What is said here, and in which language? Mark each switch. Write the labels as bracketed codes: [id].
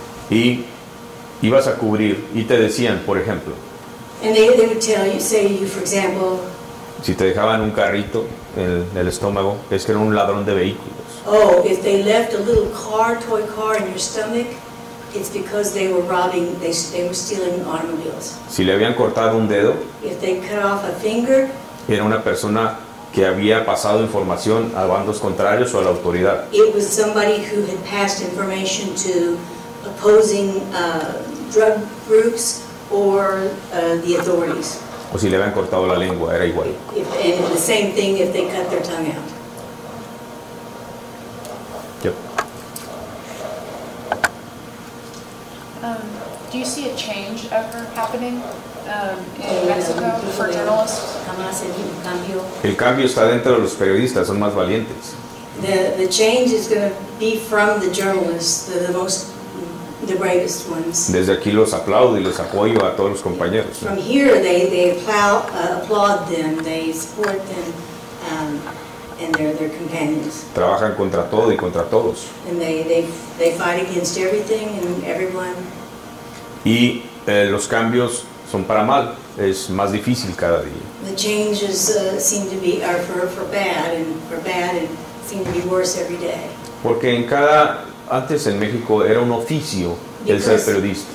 [es] Y ibas a cubrir y te decían, por ejemplo. [en] And they would tell you, say you, for example. [es] Si te dejaban un carrito en el estómago, es que era un ladrón de vehículos. [en] Oh, if they left a little toy car in your stomach. It's because they were robbing, they were stealing automobiles. [es] Si le habían cortado un dedo, [en] if they cut off a finger, [es] era una persona que había pasado información a bandos contrarios o a la autoridad. [en] It was somebody who had passed information to opposing drug groups or the authorities. [es] O si le habían cortado la lengua, era igual. [en] And the same thing if they cut their tongue out. Yep. Do you see a change ever happening in Mexico for journalists? [es] El cambio está dentro de los periodistas, son más valientes. [en] The change is going to be from the journalists, the most, the bravest ones. [es] Desde aquí los aplaudo y les apoyo a todos los compañeros. [en] From here they applaud them, they support them, and their companions. [es] Trabajan contra todo y contra todos. [en] And they fight against everything and everyone. [es] Y los cambios son para mal, es más difícil cada día. [en] The changes seem to be are for bad and for bad and seem to be worse every day. [es] Porque en cada antes en México era un oficio el ser periodista.